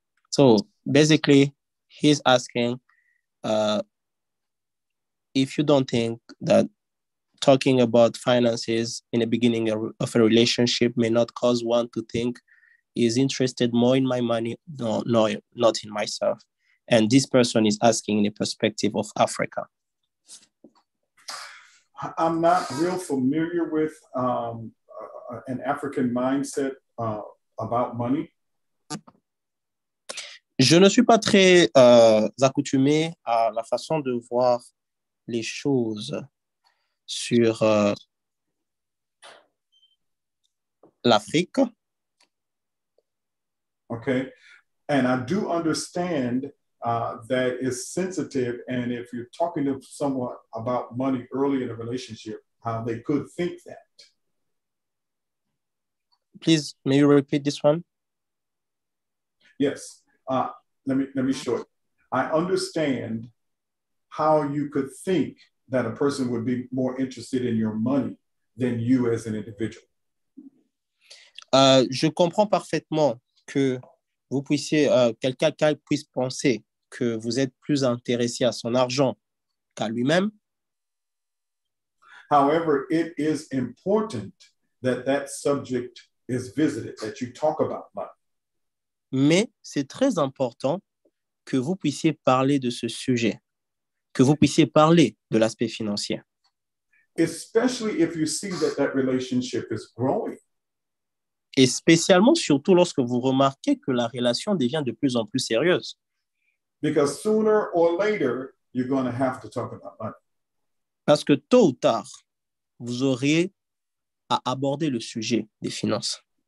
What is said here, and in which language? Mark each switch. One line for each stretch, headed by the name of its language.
English: So basically, he's asking if you don't think that talking about finances in the beginning of a relationship may not cause one to think he's interested more in my money, no, not in myself. And this person is asking in the perspective of Africa. I'm not real familiar with an African mindset about money.
French: Je ne suis pas très accoutumé à la façon de voir les choses sur l'Afrique.
English: Okay. And I do understand that it's sensitive, and if you're talking to someone about money early in a relationship, how they could think that. Please, may you repeat this one? Yes. Let me show it. I understand how you could think that a person would be more interested in your money than you as an individual.
French: Je comprends parfaitement que vous puissiez, quelqu'un puisse penser que vous êtes plus intéressé à son argent qu'à lui-même.
English: However, it is important that that subject is visited, that you talk about money.
French: Mais c'est très important que vous puissiez parler de ce sujet, que vous puissiez parler de l'aspect financier.
English: Especially if you see that that relationship is growing.
French: Et spécialement, surtout lorsque vous remarquez que la relation devient de plus en plus sérieuse.
English: Because sooner or later, you're going to have to talk about money.
French: Parce que tôt ou tard, vous auriez à aborder le sujet des finances.